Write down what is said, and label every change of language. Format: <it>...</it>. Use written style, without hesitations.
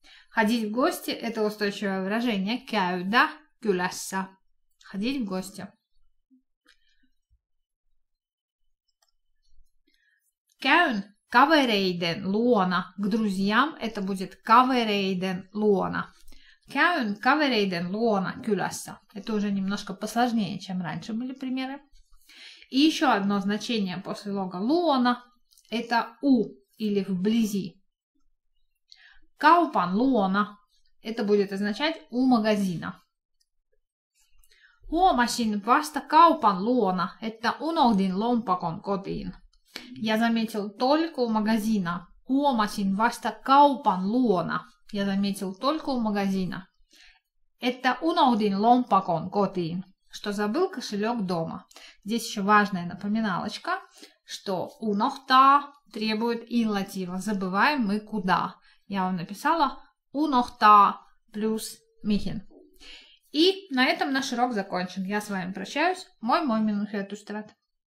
<ru>Ходить в гости – это устойчивое выражение</ru> <fi>käydä kylässä.</fi> <ru>Ходить в гости.</ru> <fi>Käyn kavereiden luona.</fi> <ru>К друзьям это будет</ru> <fi>kavereiden luona. Käyn kavereiden luona kylässä.</fi> <ru>Это уже немножко посложнее, чем раньше были примеры. И еще одно значение после лога luona – это у или вблизи.</ru> <fi>Kaupan luona</fi> <ru>– это будет означать у магазина.</ru> <fi>Huomasin vasta kaupan luona, että unohdin lompakon kotiin.</fi> <ru>Я заметил только у магазина.</ru> <fi>Huomasin vasta kaupan luona.</fi> <ru>Я заметил только у магазина.</ru> <fi>Että unohdin lompakon kotiin.</fi> <ru>Что забыл кошелек дома. Здесь еще важная напоминалочка, что unohtaa требует инлатива. Забываем мы куда. Я вам написала unohtaa плюс mihin. И на этом наш урок закончен. Я с вами прощаюсь. Мой минус этот страт.</ru>